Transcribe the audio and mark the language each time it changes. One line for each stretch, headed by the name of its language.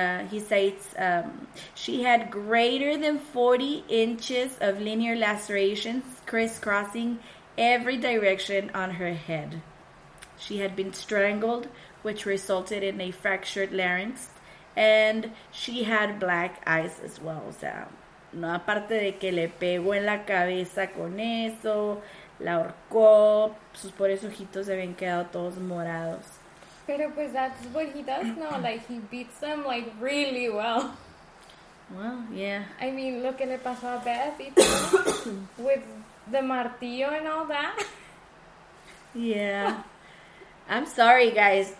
English: He cites she had greater than 40 inches of linear lacerations crisscrossing every direction on her head. She had been strangled, which resulted in a fractured larynx, and she had black eyes as well.
Spanish: O sea, no aparte de que le pegó en la cabeza con eso, la ahorcó, sus pobres ojitos se habían quedado todos morados. Pero pues
English: that's what he does now, like he beats them like really well. Well, yeah. I mean,
Spanish: lo que le pasó a Beth y
English: with the martillo and all that. Yeah. I'm sorry, guys.